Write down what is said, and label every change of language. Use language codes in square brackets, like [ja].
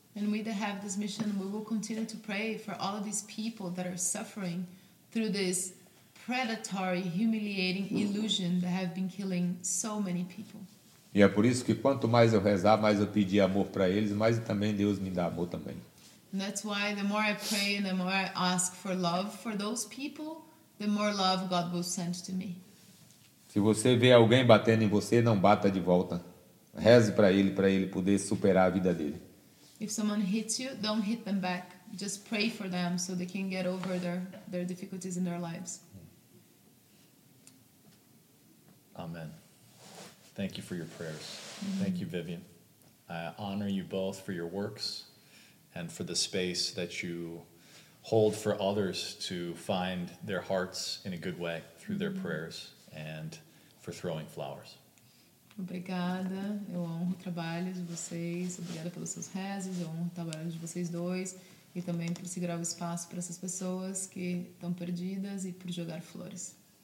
[en] And we that have this mission, we will continue to pray for all of these people that are suffering through this predatory, humiliating illusion that have been killing so many people. [pt] E é por isso que quanto mais eu rezar, mais eu pedir amor para eles, mais também Deus me dá amor também. [en] And that's why the more I pray and the more I ask for love for those people, the more love God will send to me. [pt] Se você vê alguém batendo em você, não bata de volta. Reze para ele poder superar a vida dele. [en] If someone hits you, don't hit them back. Just pray for them so they can get over their difficulties in their lives. Amen. Thank you for your prayers. Mm-hmm. Thank you, Vivian. I honor you both for your works and for the space that you hold for others to find their hearts in a good way through their prayers and for throwing flowers. [pt] Obrigada, eu honro o trabalho de vocês, obrigada pelas suas rezas, eu honro o trabalho de vocês dois e também por segurar o espaço para essas pessoas que estão perdidas e por jogar flores.